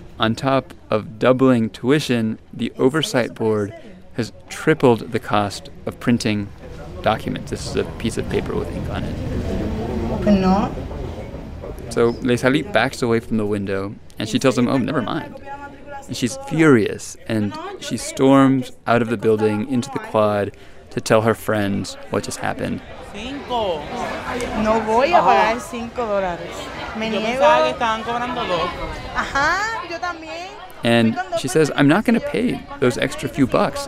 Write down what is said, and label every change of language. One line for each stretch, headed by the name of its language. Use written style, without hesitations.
English: On top of doubling tuition, the oversight board has tripled the cost of printing documents. This is a piece of paper with ink on it. But no. So Lezali backs away from the window, and she tells him, oh, never mind. And she's furious, and she storms out of the building into the quad to tell her friends what just happened.
Spanish: Cinco. No voy a pagar $5. Me niego. Yo pensaba que estaban cobrando dos. Ajá, yo también.
English: And she says, I'm not going to pay those extra few bucks.